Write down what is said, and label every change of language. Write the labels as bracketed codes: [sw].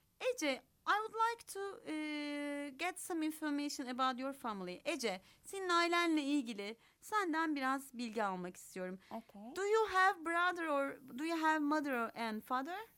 [en] Ece, I would like to get some information about your family. [tr] Ece, senin ailenle ilgili senden biraz bilgi almak istiyorum. [en] Okay. Do you have brother or do you have mother and father?